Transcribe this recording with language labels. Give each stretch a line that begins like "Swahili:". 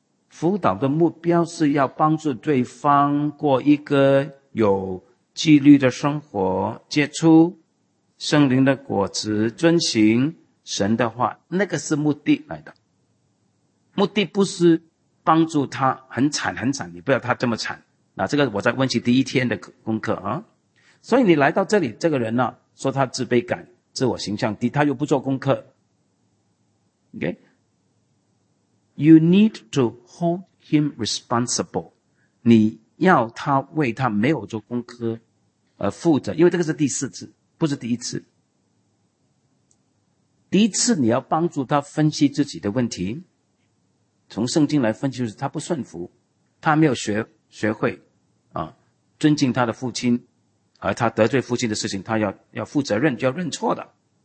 Chinese: 辅导的目标是要帮助对方过一个有纪律的生活，结出圣灵的果子，遵行神的话，那个是目的来的。目的不是帮助他很惨很惨，你不要他这么惨。那这个我在温习第一天的功课啊。所以你来到这里，这个人呢，说他自卑感，自我形象低，他又不做功课。
English: Okay? You need to hold him responsible.
Chinese: 你要他为他没有做功课而负责，因为这个是第四次，不是第一次。第一次你要帮助他分析自己的问题，从圣经来分析，就是他不顺服，他没有学会啊，尊敬他的父亲，而他得罪父亲的事情，他要负责任，要认错的。